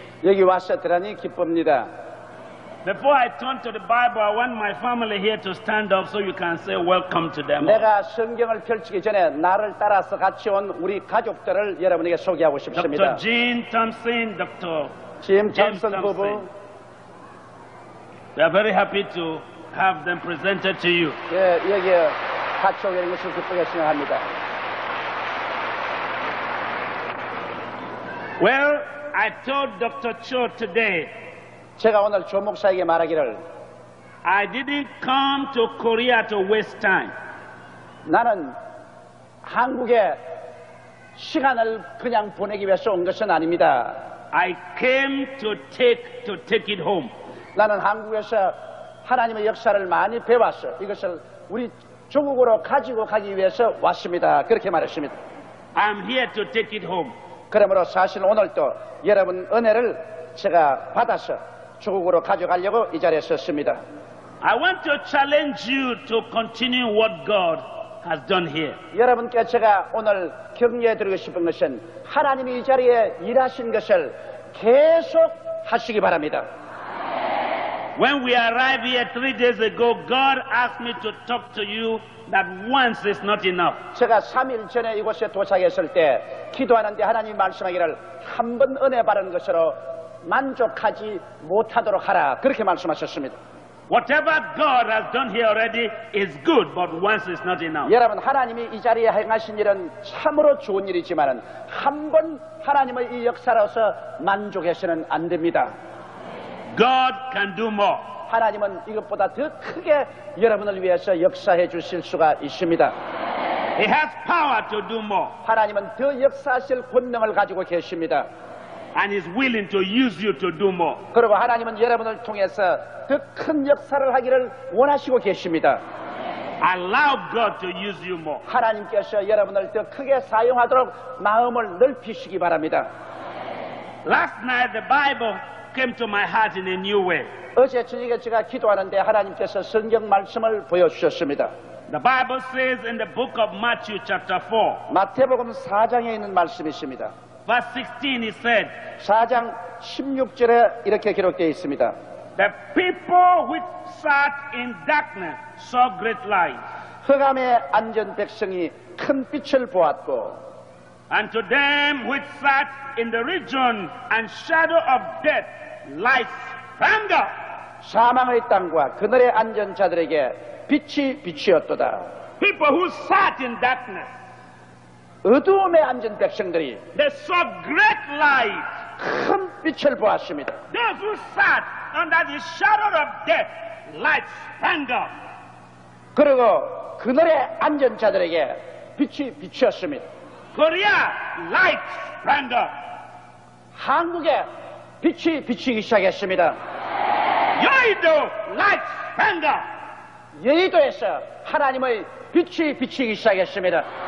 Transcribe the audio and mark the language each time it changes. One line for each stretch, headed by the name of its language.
Korean: 여기 와서 들으니 기쁩니다.
English: Before I turn to the Bible, I want my family here to stand up so you can say welcome to them.
Korean: 내가 성경을 펼치기 전에 나를 따라서 같이 온 우리 가족들을 여러분에게 소개하고 싶습니다.
English: Dr. Jean Thompson, Dr.
Korean: Jim Thompson 부부.
English: We are very happy to have them presented to you.
Korean: 예, 여기 같이 오게 된 것을 기쁘게 생각합니다.
English: Well, I told Dr. Cho today.
Korean: 제가 오늘 조 목사에게 말하기를.
English: I didn't come to Korea to waste time.
Korean: 나는 한국에 시간을 그냥 보내기 위해서 온 것은 아닙니다.
English: I came to take it home.
Korean: 나는 한국에서 하나님의 역사를 많이 배웠어. 이것을 우리 조국으로 가지고 가기 위해서 왔습니다. 그렇게 말했습니다.
English: I'm here to take it home.
Korean: 그러므로 사실 오늘도 여러분 은혜를 제가 받아서 조국으로 가져가려고 이 자리에 섰습니다.
English: I want to challenge you to continue what God has done here.
Korean: 여러분께 제가 오늘 격려해드리고 싶은 것은 하나님이 이 자리에 일하신 것을 계속 하시기 바랍니다.
English: When we arrived here 3 days ago, God asked me to talk to you that once is not enough.
Korean: 제가 3일 전에 이곳에 도착했을 때 기도하는데 하나님 말씀하기를 한 번 은혜 받은 것으로 만족하지 못하도록 하라 그렇게 말씀하셨습니다.
English: Whatever God has done here already is good, but once is not enough.
Korean: 여러분 하나님이 이 자리에 행하신 일은 참으로 좋은 일이지만은 한 번 하나님의 이 역사로서 만족해서는 안 됩니다.
English: God can do more.
Korean: 하나님은 이것보다 더 크게 여러분을 위해서 역사해 주실 수가 있습니다.
English: He has power to do more.
Korean: 하나님은 더 역사하실 권능을 가지고 계십니다.
English: And is willing to use you to do more.
Korean: 그리고 하나님은 여러분을 통해서 더 큰 역사를 하기를 원하시고 계십니다.
English: Allow God to use you more.
Korean: 하나님께서 여러분을 더 크게 사용하도록 마음을 넓히시기 바랍니다.
English: Last night the Bible came to my heart in a new way.
Korean: 어제 저녁에 제가 기도하는데 하나님께서 성경 말씀을 보여주셨습니다.
English: The Bible says in the book of Matthew chapter 4.
Korean: 마태복음 4장에 있는 말씀이십니다.
English: Verse 16 he said.
Korean: 4장 16절에 이렇게 기록되어 있습니다.
English: The people which sat in darkness saw great light.
Korean: 흑암에 앉은 백성이 큰 빛을 보았고.
English: And to them which sat in the region and shadow of death, light sprang up.
Korean: 사망의 땅과 그늘에 앉은 자들에게 빛이 비추었도다.
English: People who sat in darkness.
Korean: 어두움에 앉은 백성들이
English: they saw great light.
Korean: 큰 빛을 보았습니다.
English: Those who sat under the shadow of death, light sprang up.
Korean: 그리고 그늘에 앉은 자들에게 빛이 비추었습니다.
English: Korea, light sprang up.
Korean: 한국에 빛이 비치기 시작했습니다.
English: 여의도, light sprang up.
Korean: 여의도에서 하나님의 빛이 비치기 시작했습니다.